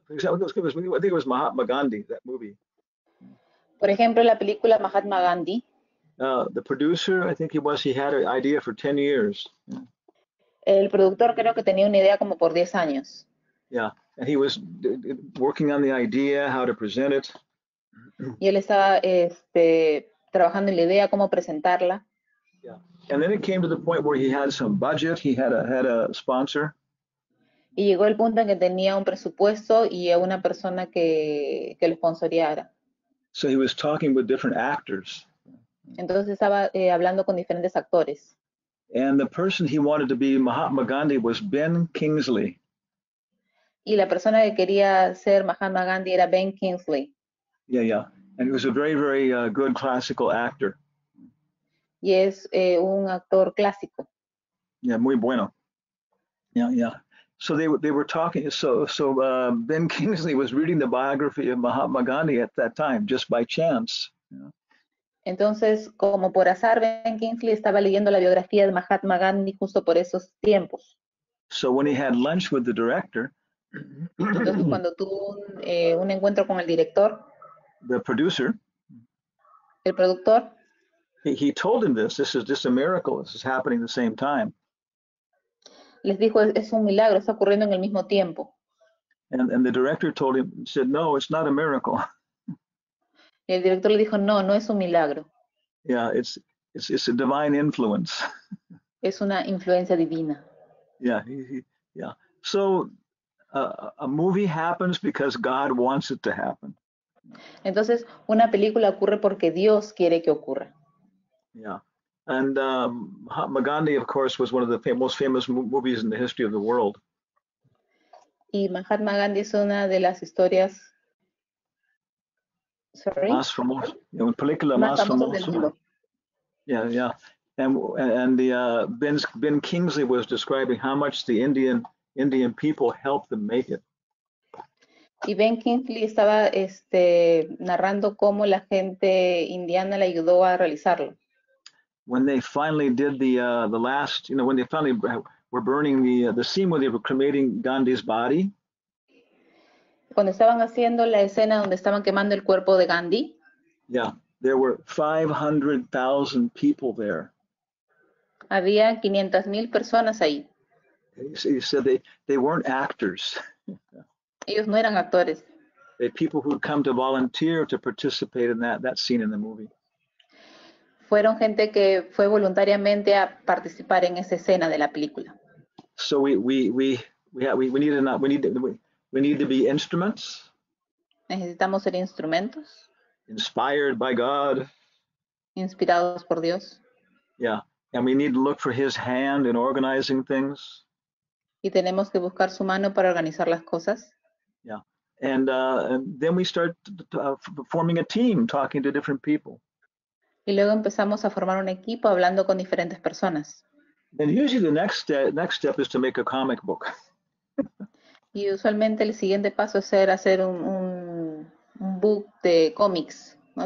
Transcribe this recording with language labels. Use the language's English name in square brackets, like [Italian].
[English] For example, I think it was Mahatma Gandhi. That movie. [Spanish] Por ejemplo, la película Mahatma Gandhi. [English] The producer, I think it was. He had an idea for 10 years. [Spanish] El productor creo que tenía una idea como por 10 años. [English] Yeah, and he was working on the idea, how to present it. [Spanish] Y él estaba trabajando en la idea cómo presentarla. [English] And then it came to the point where he had some budget, he had a sponsor. [Spanish] Y llegó el punto en que tenía un presupuesto y a una persona que lo sponsoreara. [English] So he was talking with different actors. [Spanish] Entonces estaba hablando con diferentes actores. [English] And the person he wanted to be Mahatma Gandhi was Ben Kingsley. [Spanish] Y la persona que quería ser Mahatma Gandhi era Ben Kingsley. [English] Yeah, yeah. And he was a very, very good classical actor. [Spanish] Y es un actor clásico. [English] Yeah, [Spanish] muy bueno. [English] Yeah, yeah. So they were talking. So Ben Kingsley was reading the biography of Mahatma Gandhi at that time, just by chance. [Spanish] Entonces, como por azar, Ben Kingsley estaba leyendo la biografía de Mahatma Gandhi justo por esos tiempos. [English] So when he had lunch with the director. [Spanish] Entonces, cuando tuvo un encuentro con el director. [English] The producer. [Spanish] El productor. [English] He told him this is just a miracle, this is happening at the same time. [Spanish] Les dijo, es un milagro, está ocurriendo en el mismo tiempo. [English] And the director told him, he said, no, it's not a miracle. [Spanish] Y el director le dijo, no, no es un milagro. [English] Yeah, it's a divine influence. [Spanish] Es una influencia divina. [English] Yeah. So a movie happens because God wants it to happen. [Spanish] Entonces, una película ocurre porque Dios quiere que ocurra. [English] Yeah, and Mahatma Gandhi, of course, was one of the most famous movies in the history of the world. [Spanish] Y Mahatma Gandhi es una de las historias. [English] Sorry. [Spanish] Más famoso. Un película más famoso. [English] Yeah, yeah. And the Ben Kingsley was describing how much the Indian people helped them make it. [Spanish] Y Ben Kingsley estaba narrando cómo la gente indiana le ayudó a realizarlo. [English] When they finally did the last, you know, when they finally were burning the scene where they were cremating Gandhi's body. [Spanish] Cuando estaban haciendo la escena donde estaban quemando el cuerpo de Gandhi. [English] Yeah, there were 500,000 people there. [Spanish] Había 500,000 personas ahí. [English] He said they weren't actors. [Spanish] Ellos no eran actores. [English] The people who come to volunteer to participate in that scene in the movie. [Spanish] Fueron gente que fue voluntariamente a participar en esa escena de la película. [English] So we need to be instruments. [Spanish] Necesitamos ser instrumentos. [English] Inspired by God. [Spanish] Inspirados por Dios. [English] Yeah. And we need to look for his hand in organizing things. [Spanish] Y tenemos que buscar su mano para organizar las cosas. [English] Yeah. And then we start forming a team, talking to different people. [Spanish] Y luego empezamos a formar un equipo hablando con diferentes personas. [English] And usually the next step is to make a comic book. [Spanish] Y usualmente el siguiente paso es hacer un book de cómics, ¿no?